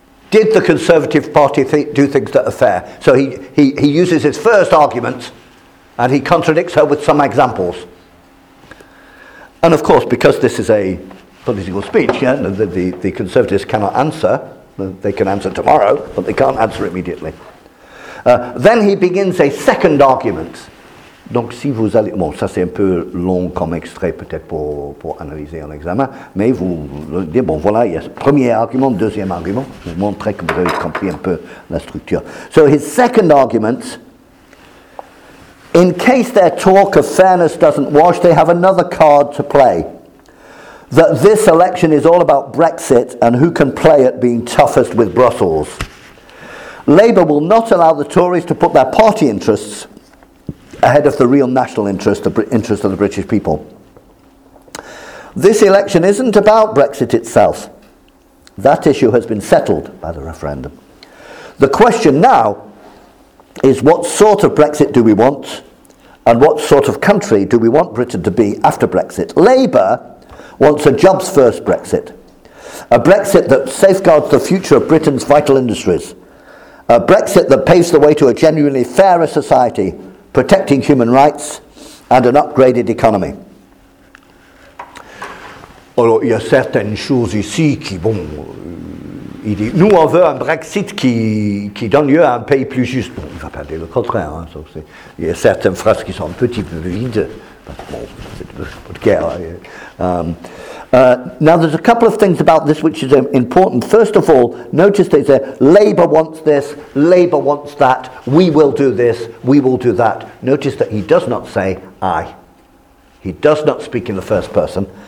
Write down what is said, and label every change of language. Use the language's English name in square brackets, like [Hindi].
[English] Did the Conservative Party do things that are fair? So he uses his first argument and he contradicts her with some examples. And of course, because this is a political speech, yeah, the Conservatives cannot answer. They can answer tomorrow, but they can't answer immediately. Then he begins a second argument. [French] Donc si vous allez, bon ça c'est un peu long comme extrait peut-être pour analyser un examen, mais vous dites, bon voilà, il y a premier argument, deuxième argument, je vous montrerai que vous avez compris un peu la structure. [English] So his second argument, in case their talk of fairness doesn't wash, they have another card to play. that this election is all about Brexit and who can play at being toughest with Brussels. Labour will not allow the Tories to put their party interests ahead of the real national interest, the interest of the British people. This election isn't about Brexit itself. That issue has been settled by the referendum. The question now is, what sort of Brexit do we want, and what sort of country do we want Britain to be after Brexit? Labour wants a jobs-first Brexit, a Brexit that safeguards the future of Britain's vital industries, a Brexit that paves the way to a genuinely fairer society, protecting human rights and an upgraded economy. [French] Alors, il y a certaines choses ici qui, bon, il dit, nous on veut un Brexit qui donne lieu à un pays plus juste. Bon, il ne va pas dire le contraire, hein, sauf c'est, il y a certaines phrases qui sont un petit peu vides. Bon, c'est pas de guerre. [English] Now, there's a couple of things about this which is important. First of all, notice they say, Labour wants this, Labour wants that, we will do this, we will do that. Notice that he does not say, I. He does not speak in the first person.